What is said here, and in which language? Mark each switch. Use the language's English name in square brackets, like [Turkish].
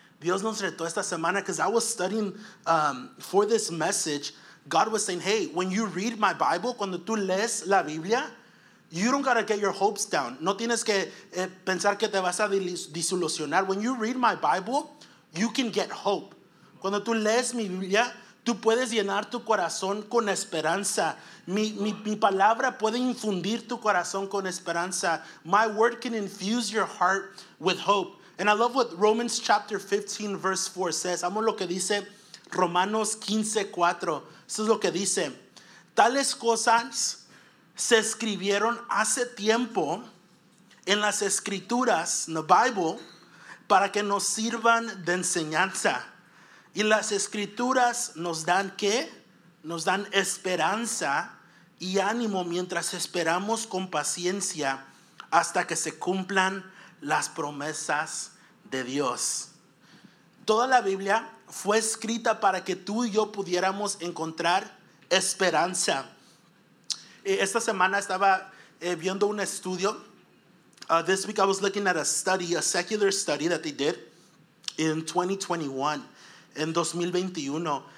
[Spanish] Dios nos retó esta semana [English] because I was studying for this message. God was saying, hey, when you read my Bible, [Spanish] cuando tú lees la Biblia, [English] you don't got to get your hopes down. [Spanish] No tienes que pensar que te vas a desilusionar. [English] When you read my Bible, you can get hope. [Spanish] Cuando tú lees mi Biblia, tú puedes llenar tu corazón con esperanza. Mi palabra puede infundir tu corazón con esperanza. [English] My word can infuse your heart with hope. And I love what Romans chapter 15, verse 4 says. [Spanish] Amo lo que dice Romanos 15:4. Eso es lo que dice. Tales cosas se escribieron hace tiempo en las Escrituras, [English] in the Bible, [Spanish] para que nos sirvan de enseñanza. Y las Escrituras nos dan ¿qué? Nos dan esperanza y ánimo mientras esperamos con paciencia hasta que se cumplan las promesas de Dios. Toda la Biblia fue escrita para que tú y yo pudiéramos encontrar esperanza. Esta semana estaba viendo un estudio. [English] This week I was looking at a study, a secular study that they did in 2021, en 2021.